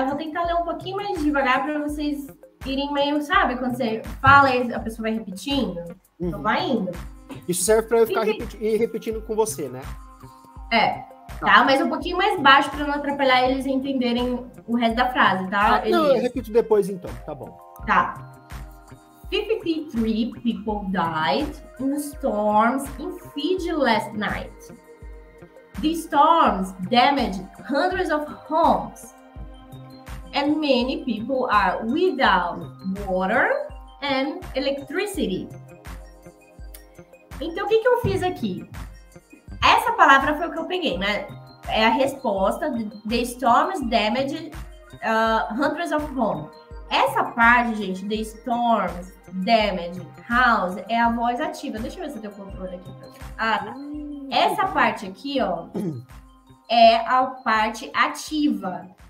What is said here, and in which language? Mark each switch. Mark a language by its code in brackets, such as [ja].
[pt] Eu vou tentar ler um pouquinho mais devagar para vocês irem meio, sabe? Quando você fala, a pessoa vai repetindo. Uhum. Então vai indo. Isso serve para eu ficar repetindo com você, né? É. Tá, mas um pouquinho mais baixo para não atrapalhar eles entenderem o resto da frase, tá? Ah, não, eu repito depois então, tá bom. Tá. [en] 53 people died in storms in Fiji last night. The storms damaged hundreds of homes and many people are without water and electricity. [pt] Então, o que eu fiz aqui? Essa palavra foi o que eu peguei, né? É a resposta. [en] The storms damaged hundreds of homes. [pt] Essa parte, gente, de Storms, Damage, House, é a voz ativa. Deixa eu ver se eu tenho controle aqui. Essa parte aqui, ó, é a parte ativa.